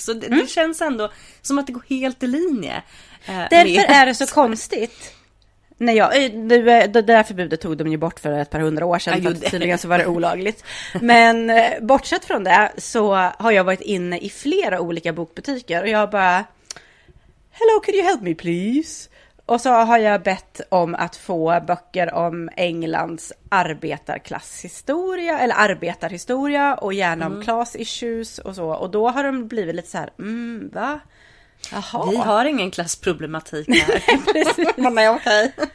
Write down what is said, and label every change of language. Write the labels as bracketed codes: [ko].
[sv] Så det känns ändå som att det går helt i linje. Därför är det så konstigt. Nej, det där förbudet tog de ju bort för ett par hundra år sedan. Tydligen så var det olagligt. Men bortsett från det så har jag varit inne i flera olika bokbutiker. Och jag bara, [en] hello, could you help me please? [sv] Och så har jag bett om att få böcker om Englands arbetarklasshistoria. Eller arbetarhistoria och gärna om class issues och så. Och då har de blivit lite så här, va? Jaha. Vi har ingen klassproblematik här. Nej, okej.